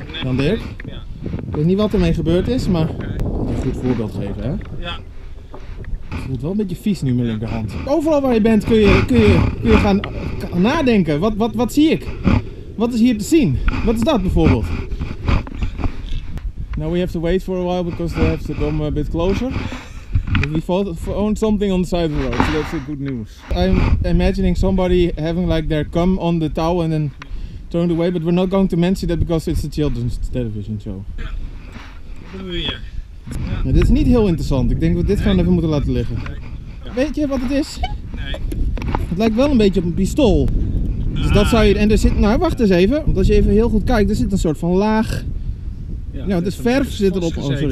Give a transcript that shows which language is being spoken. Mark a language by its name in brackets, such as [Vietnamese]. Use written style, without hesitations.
[Dutch] Nee, dan Dirk? Ja. Ik weet niet wat ermee gebeurd is, maar... Okay. Een goed voorbeeld geven, hè? Ja. Het voelt wel een beetje vies nu, mijn linkerhand. Overal waar je bent kun je gaan nadenken. Wat zie ik? Wat is hier te zien? Wat is dat bijvoorbeeld? [English] Now we have to wait for a while because they have to come a bit closer. We found something on the side of the road, so that's a good news. I'm imagining somebody having like their cum on the towel and then thrown away, but we're not going to mention that because it's a children's television show. [Dutch] Ja, dat doen we hier. Ja. Dit is niet heel interessant. Ik denk dat we dit gewoon even moeten laten liggen. Nee. Ja. Weet je wat het is? Nee. Het lijkt wel een beetje op een pistool. Dus dat zou je... En er zit... Nou, wacht eens even. Want als je even heel goed kijkt, er zit een soort van laag... Ja, nou, het is verf zit erop. Oh, sorry.